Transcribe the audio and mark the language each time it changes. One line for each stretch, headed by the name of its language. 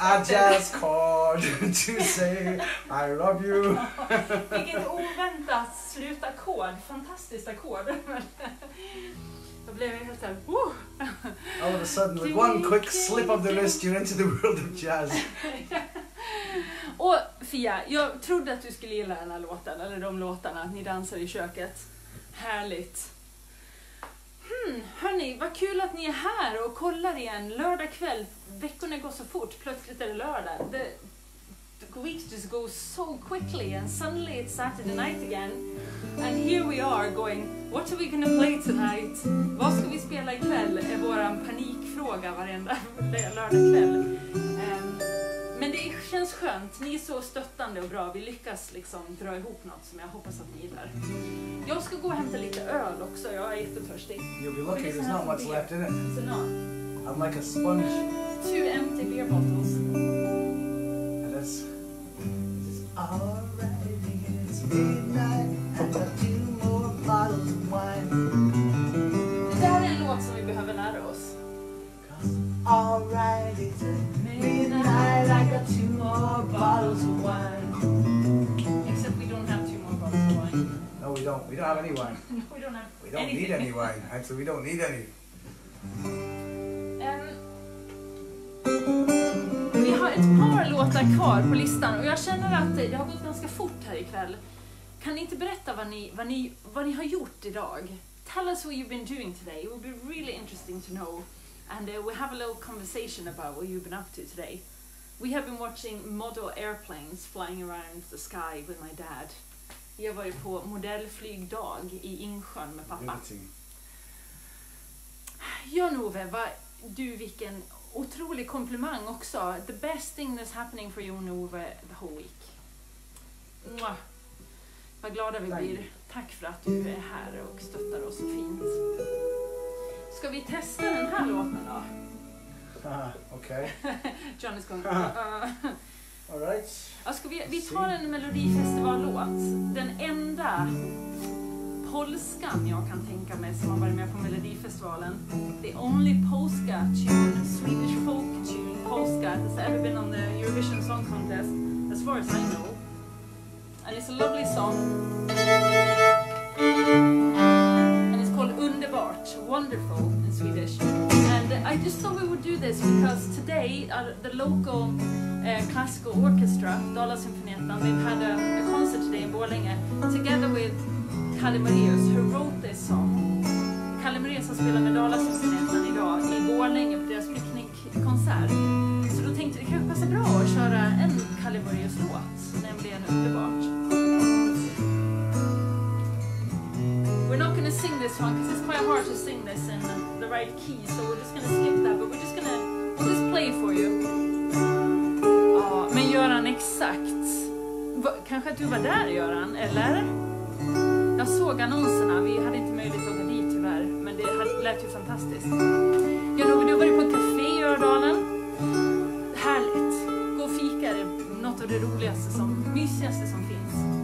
English: A jazz chord to say I love you.
Swedish: Vilket oväntat slutakkord. Fantastiskt akkord. Då blev jag helt såhär.
English: All of a sudden, like one quick slip of the wrist, you're into the world of jazz.
Swedish: Och Fia, jag trodde att du skulle gilla den här låten, eller de låtarna, att ni dansar i köket. Härligt. Hörni, vad kul att ni är här och kollar igen. Lördag kväll, veckorna går så fort. Plötsligt är det lördag.
English: The weeks just go so quickly and suddenly it's Saturday night again. And here we are going, what are we gonna play tonight?
Swedish: Vad ska vi spela ikväll? Är våran panikfråga varenda lördag kväll. Men det känns skönt. Ni är så stöttande och bra. Vi lyckas liksom dra ihop något som jag hoppas att ni gillar. Jag ska gå och hämta lite öl också. Jag är jättetörstig.
English: You'll be lucky. There's not much left in it. It's not. I'm like a sponge. Two empty beer bottles. And it's... It's alrighty, it's midnight. And a few more bottles of wine.
Swedish: Det här är en låt som vi behöver lära oss.
English: Alright, it's a midnight, I got two more bottles of wine. Except we don't have two more bottles of wine. No, we don't. We don't have any wine. No, we don't have anything. We don't need any wine. Actually, we don't need any.
Swedish: Vi har ett par låtar kvar på listan och jag känner att det har gått ganska fort här ikväll. Kan ni inte berätta vad ni har gjort idag?
English: Tell us what you've been doing today. It would be really interesting to know. And we have a little conversation about what you've been up to today. We have been watching model airplanes flying around the sky with my dad.
Swedish: Jag var på modellflygdag i Insjön med pappa. Jan-Ove, du vilken otrolig komplimang också.
English: The best thing that's happening for Jan-Ove the whole week.
Swedish: Mwah. Vad glada vi blir. Tack för att du är här och stöttar oss så fint. Ska vi testa den här låten då? Okej.
English: Okay. John is going. All right.
Swedish: Ska vi ta en Melodifestival-låt. Den enda polskan jag kan tänka mig som har varit med på Melodifestivalen.
English: The only polska tune, Swedish folk tune, polska that's ever been on the Eurovision Song Contest, as far as I know. And it's a lovely song. Underbart, wonderful in Swedish. And I just thought we would do this because today the local classical orchestra, Dala Symfonietan, they've had a concert today in Borlänge together with Kalle Marius, who wrote this song.
Swedish: Kalle Marius har spelat med Dala 61 idag i Borlänge på deras picknickkonsert. Så då tänkte jag, det kan passa bra att köra en Kalle Marius-låt, nämligen Underbart.
English: We're not gonna sing this one because it's quite hard to sing this in the right key, so we're just gonna skip that, but we'll just play for you.
Swedish: Men Göran, exakt. Kanske att du var där, Göran, eller? Jag såg annonserna, vi hade inte möjlighet att gå dit tyvärr, men det lät ju fantastiskt. Jag tror du har varit på ett café i Ördalen. Härligt. Gå och fika, det är något av det roligaste, som mysigaste som finns.